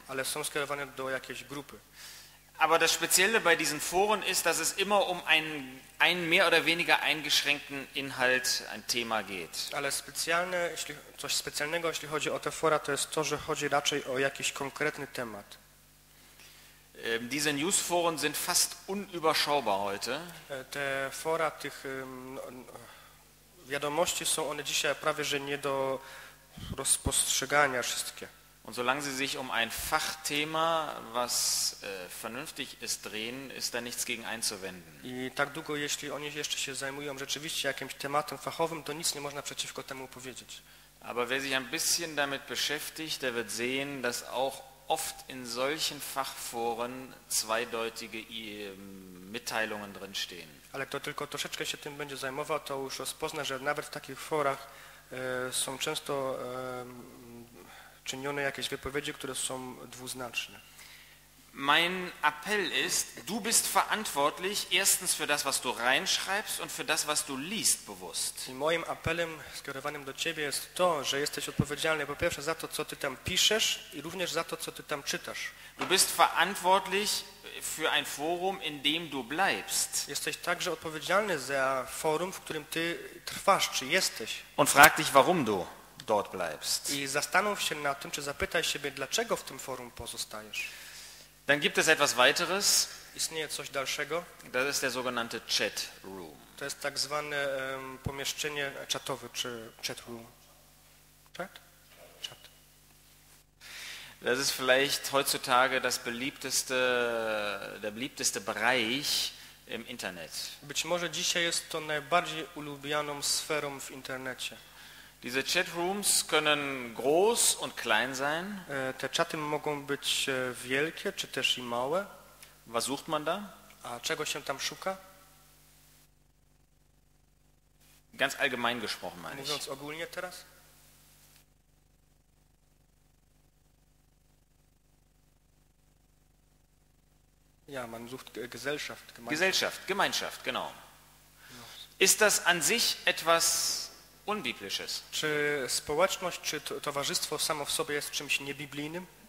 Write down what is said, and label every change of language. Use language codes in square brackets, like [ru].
[pl] Ale są skierowane do jakiejś grupy. [de] Aber das Spezielle bei diesen Foren ist, dass es immer um einen mehr oder weniger eingeschränkten Inhalt, ein Thema geht. [pl] Ale specjalne, coś specjalnego, jeśli chodzi o te fora, to jest to, że chodzi raczej o jakiś konkretny temat. [de] Diese Newsforen sind fast unüberschaubar heute. [pl] Te fora tych wiadomości są one dzisiaj prawie że nie do rozpostrzegania wszystkie. [de] Und solange sie sich um ein Fachthema, was vernünftig ist, drehen, ist da nichts gegen einzuwenden. [pl] I tak długo, jeśli oni jeszcze się zajmują rzeczywiście jakimś tematem fachowym, to nic nie można przeciwko temu powiedzieć. [de] Aber wer sich ein bisschen damit beschäftigt, der wird sehen, dass auch oft in solchen Fachforen zweideutige Mitteilungen drin stehen. [pl] Ale kto tylko troszeczkę się tym będzie zajmował, to już rozpozna, że nawet w takich forach są często czynione jakieś wypowiedzi, które są dwuznaczne. [de] Mein Appell ist, du bist verantwortlich erstens für das, was du reinschreibst und für das, was du liest bewusst. [pl] I moim apelem skierowanym do ciebie jest to, że jesteś odpowiedzialny po pierwsze za to, co ty tam piszesz i również za to, co ty tam czytasz. [de] Du bist verantwortlich für ein Forum, in dem du bleibst. [pl] Jesteś także odpowiedzialny za forum, w którym ty trwasz, czy jesteś. [de] Und frag dich, warum du dort bleibst. [pl] I zastanów się nad tym, czy zapytaj siebie, dlaczego w tym forum pozostajesz. [de] Dann gibt es etwas weiteres. [pl] Istnieje coś dalszego. [de] Das ist der sogenannte Chat Room. [pl] To jest tak zwane pomieszczenie czatowe, czy Chat Room. [de] Chat? Chat. Das ist vielleicht heutzutage das beliebteste, der beliebteste Bereich im Internet. [pl] Być może dzisiaj jest to najbardziej ulubioną sferą w internecie. [de] Diese Chatrooms können groß und klein sein. [pl] Te czaty mogą być wielkie, czy też i małe. [de] Was sucht man da? [pl] A czego się tam szuka? [de] Ganz allgemein gesprochen meine ich. [pl] Mówiąc ogólnie teraz? [de] Ja, man sucht Gesellschaft. Gemeinschaft. Gesellschaft, Gemeinschaft, genau. Ist das an sich etwas... Unbiblisches. [pl] Czy społeczność, czy towarzystwo samo w sobie jest czymś niebiblijnym?